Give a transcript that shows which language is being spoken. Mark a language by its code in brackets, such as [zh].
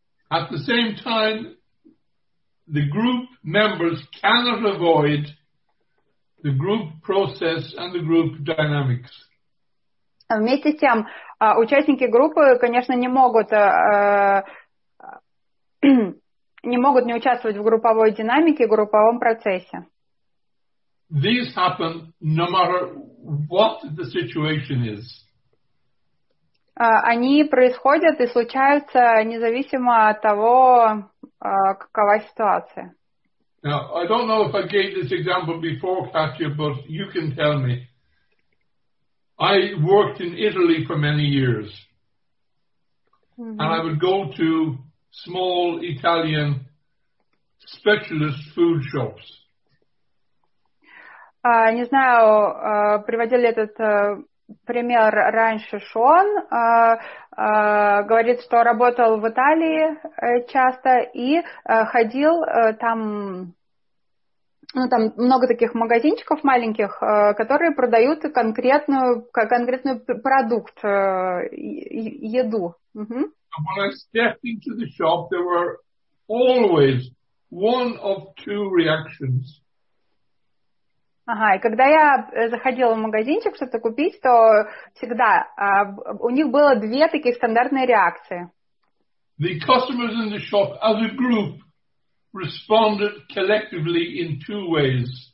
[en] At the same time, the group members cannot avoid the group process and the group dynamics. [ru] Вместе с тем, участники группы, конечно, не могут не участвовать в групповой динамике, в групповом процессе. [en] These happen no matter what the situation is. [ru] Они происходят и случаются независимо от того, какова ситуация. [en] Now, I don't know if I gave this example before, Katya, but you can tell me. I worked in Italy for many years. Mm-hmm. And I would go to small Italian specialist food shops. [ru] Не знаю, приводил ли этот пример раньше Шон. Говорит, что работал в Италии часто и ходил там, ну, там много таких магазинчиков маленьких, которые продают конкретную продукт, еду. Угу. [en] When I stepped into the shop, there were always one of two reactions. [ru] Ага, и когда я заходила в магазинчик что-то купить, то всегда у них было две таких стандартные реакции. [en] The customers in the shop as a group responded collectively in two ways.